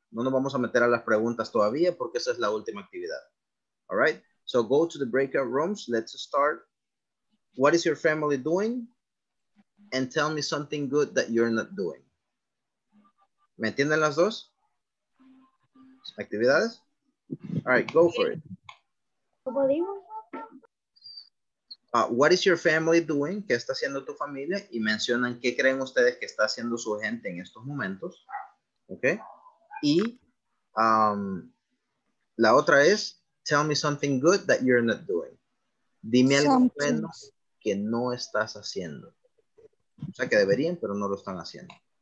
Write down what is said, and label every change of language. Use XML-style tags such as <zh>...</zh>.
<es>No nos vamos a meter a las preguntas todavía porque esa es la última actividad.</es> <en>All right, so go to the breakout rooms. Let's start. What is your family doing? And tell me something good that you're not doing.</en> <es>¿Me entienden las dos? ¿Actividades?</es> <en>All right, go for it. What is your family doing?</en> <es>¿Qué está haciendo tu familia? Y mencionan qué creen ustedes que está haciendo su gente en estos momentos.</es> <en>Okay.</en> <es>Y la otra es,</es> <en>tell me something good that you're not doing.</en> <es>Dime algo bueno que no estás haciendo. O sea, que deberían, pero no lo están haciendo.</es>